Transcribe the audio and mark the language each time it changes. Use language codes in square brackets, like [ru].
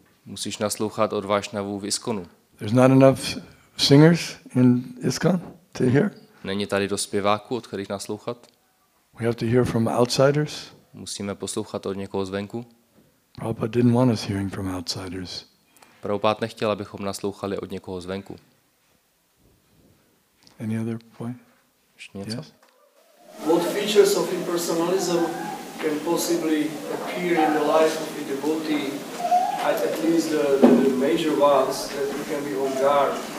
[cs] Musíš naslouchat od Vaishnavů v ISKCONu. [en] There's not enough singers in ISKCON to hear. [cs] Není tady dost zpěváků, od kterých naslouchat. [en] We have to hear from outsiders. [cs] Musíme poslouchat od někoho zvenku. [en] Prabhupada didn't want us hearing from outsiders. [cs] Prabhupada nechtěl, abychom naslouchali od někoho zvenku. [en] Any other point? [cs] Ještě něco? [en] Yes. What features of impersonalism can possibly appear in the life of a devotee, at least the major ones that we can be on guard?